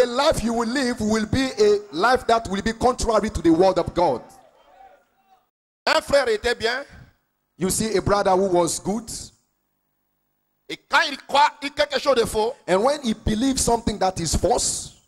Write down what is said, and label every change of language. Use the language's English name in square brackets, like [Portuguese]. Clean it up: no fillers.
[English] The life you will live will be a life that will be contrary to the word of God. [French] Un frère était bien. [English] You see a brother who was good. [French] Et quand il croit il quelque chose de faux, [English] and when he believes something that is false,